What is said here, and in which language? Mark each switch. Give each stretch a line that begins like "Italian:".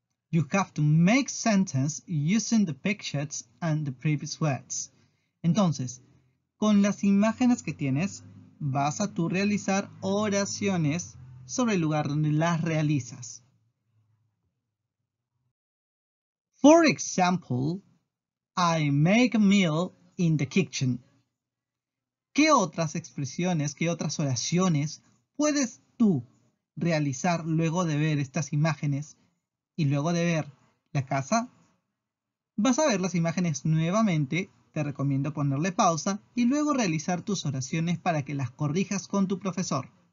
English: You have to make sentence using the pictures and the previous words.
Spanish: Entonces, con las imágenes que tienes, vas a tú realizar oraciones sobre el lugar donde las realizas.
English: For example, I make a meal in the kitchen.
Spanish: ¿Qué otras expresiones, qué otras oraciones puedes tú realizar luego de ver estas imágenes y luego de ver la casa? Vas a ver las imágenes nuevamente. Te recomiendo ponerle pausa y luego realizar tus oraciones para que las corrijas con tu profesor.